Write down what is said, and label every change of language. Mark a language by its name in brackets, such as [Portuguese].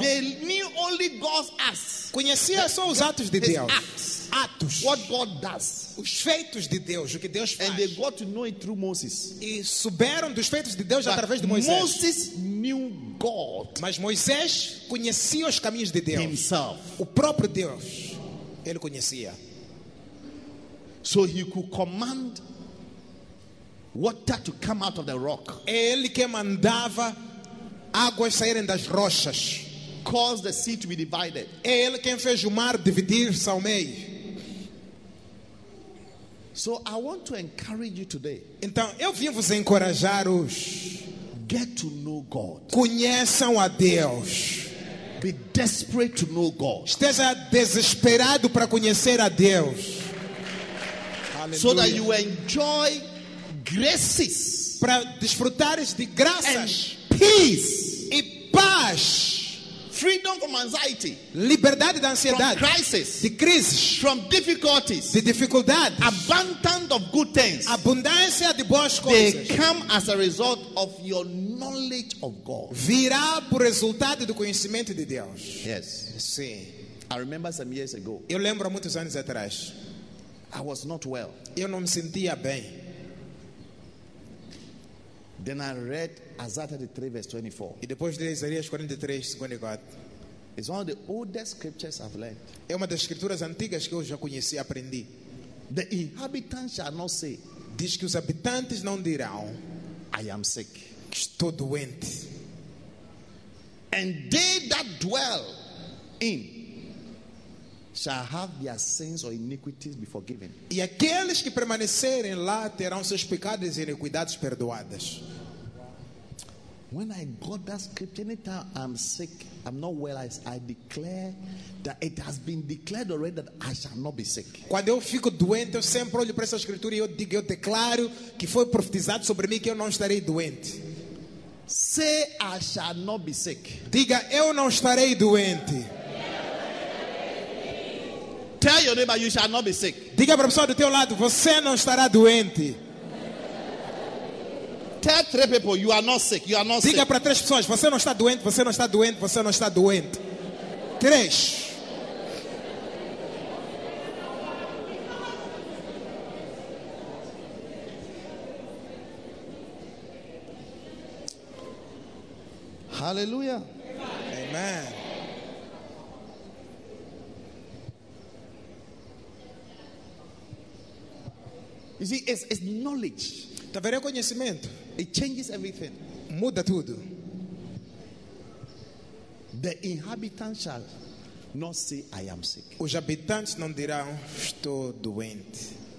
[English] they knew only God's acts, [Portuguese] conhecia só os atos de Deus, atos, [English] what God does, [Portuguese] os feitos de Deus, o que Deus faz, [English] and they got to know it through Moses. [Portuguese] E souberam dos feitos de Deus [English] but [Portuguese] através de Moisés. [English] Moses knew God, [Portuguese] mas Moisés conhecia os caminhos de Deus, [English] himself, [Portuguese] o próprio Deus, ele conhecia. [English] So he could command water to come out of the rock. [Portuguese] Ele que mandava águas saírem das rochas. [English] Caused the sea to be divided. [Portuguese] Ele quem fez o mar dividir-se ao meio. [English] So I want to encourage you today. [Portuguese] Então eu vim vos encorajar hoje. [English] Get to know God. [Portuguese] Conheçam a Deus. [English] Be desperate to know God. [Portuguese] Esteja desesperado para conhecer a Deus. [English] Hallelujah. So that you enjoy graces, [Portuguese] para desfrutares de graças, [English] peace, [Portuguese] e paz, [English] freedom from anxiety, [Portuguese] liberdade da ansiedade, [English] crisis, [Portuguese] de crises, [English] from difficulties, [Portuguese] de dificuldades, [English] abundance of good things, [Portuguese] abundância de boas coisas, [English] they come as a result of your knowledge of God, [Portuguese] virá por resultado do conhecimento de Deus. [English] Yes, [Portuguese] sim. [English] I remember some years ago. [Portuguese] Eu lembro muitos anos atrás. [English] I was not well. [Portuguese] Eu não me sentia bem. [English] Then I read Isaiah 33 verse 24. [Portuguese] E depois de Isaías 43:24, [English] it's one of the oldest scriptures I've learned. [Portuguese] É uma das escrituras antigas que eu já conheci, aprendi. [English] The inhabitants shall not say. [Portuguese] Diz que os habitantes não dirão, [English] I am sick. [Portuguese] Estou doente. [English] And they that dwell in shall have their sins or iniquities be forgiven. [Portuguese] E aqueles que permanecerem lá terão seus pecados e iniquidades perdoadas. [English] When I got that scripture, anytime I'm sick, I'm not well, I declare that it has been declared already that I shall not be sick. [Portuguese] Quando eu fico doente, eu sempre olho para essa escritura e eu digo, eu declaro que foi profetizado sobre mim que eu não estarei doente. [English] Say I shall not be sick. [Portuguese] Diga, eu não estarei doente. [English] Tell your neighbor, you shall not be sick. [Portuguese] Diga para a pessoa do teu lado, você não estará doente. [English] Tell three people, you are not sick. You are not [Portuguese] Diga [English] sick. [Portuguese] Diga para três pessoas, você não está doente, você não está doente, você não está doente. Três. [English] Hallelujah. Amen. You see, it's knowledge. [Portuguese] Tá vendo o conhecimento? [English] It changes everything. [Portuguese] Muda tudo. [English] The inhabitants shall not say, "I am sick." [Portuguese] Os habitantes não dirão, "Estou doente."